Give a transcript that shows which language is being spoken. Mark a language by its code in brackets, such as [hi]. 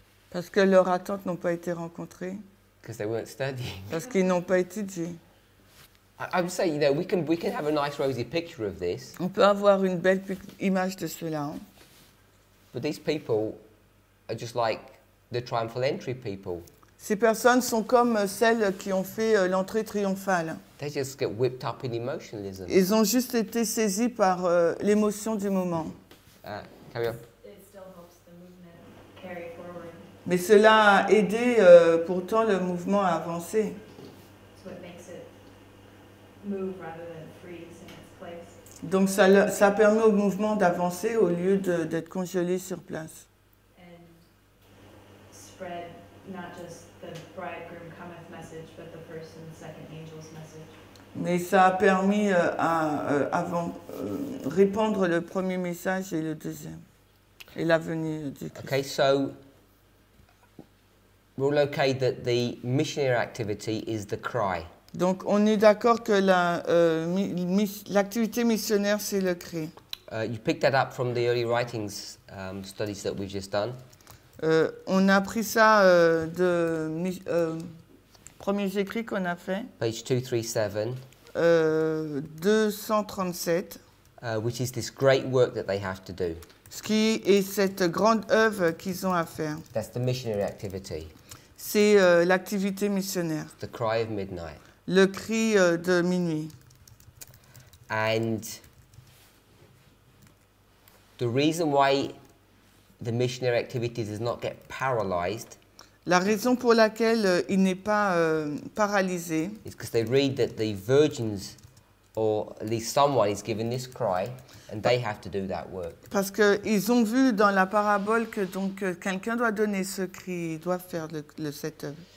[fr] Parce que leurs attentes n'ont pas été rencontrées. [en] Because they weren't studying. [fr] Parce qu'ils n'ont pas étudié. [en] I would say, you know, we can have a nice rosy picture of this. [fr] On peut avoir une belle image de cela. Hein? [en] But these people are just like the triumphal entry people. [fr] Ces personnes sont comme celles qui ont fait l'entrée triomphale. [en] They just get whipped up in emotionalism. [fr] Ils ont juste été saisis par l'émotion du moment. [en] Carry on. It still helps the movement carry forward. [fr] Mais cela a aidé pourtant le mouvement à avancer. [en] So it makes it move rather than freeze in its place. [fr] Donc ça permet au mouvement d'avancer au lieu d'être congelé sur place. [en] And spread. Not just the bridegroom cometh message, but the first and the second angel's message. [fr] Mais ça a permis avant répandre le premier message et le deuxième et l'avenir du Christ. [en] Okay, so we'll locate that the missionary activity is the cry. [fr] Donc on est d'accord que la l'activité missionnaire c'est le cri. [en] You picked that up from the early writings studies that we've just done. [fr] On a appris ça de premiers écrits qu'on a fait. [en] Page 237. 237. Which is this great work that they have to do. [fr] Ce qui est cette grande œuvre qu'ils ont à faire. [en] That's the missionary activity. [fr] C'est l'activité missionnaire. [en] The cry of midnight. [fr] Le cri de minuit. [en] And the reason why the missionary activity does not get paralyzed. [fr] La raison pour laquelle il n'est pas paralysé. [en] Is because they read that the virgins, or at least someone, is given this cry, and they have to do that work. [fr] Parce que ils ont vu dans la parabole que donc quelqu'un doit donner ce cri, doit faire le setup.